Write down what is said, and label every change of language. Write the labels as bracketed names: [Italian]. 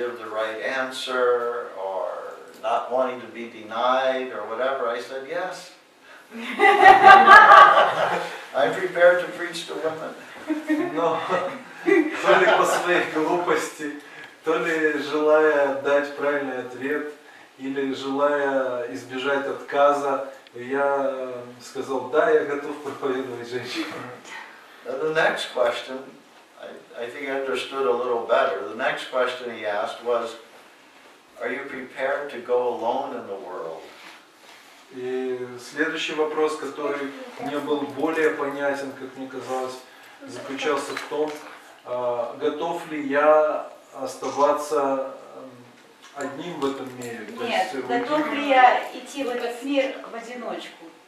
[English] give the right answer or not wanting to be denied or whatever, I said yes. I'm prepared to preach to women. [Russian] Но то ли по своей глупости, то ли желая дать правильный ответ, или желая избежать отказа, я сказал, да, я готов проповедовать женщинам. The next question, I think I understood a little better. The next question he asked was, are you prepared to go alone in the world? И следующий вопрос, который мне был более понятен, как мне казалось, заключался в том, готов ли я оставаться одним в этом мире? Нет, то есть, готов ли я идти в этот мир в одиночку?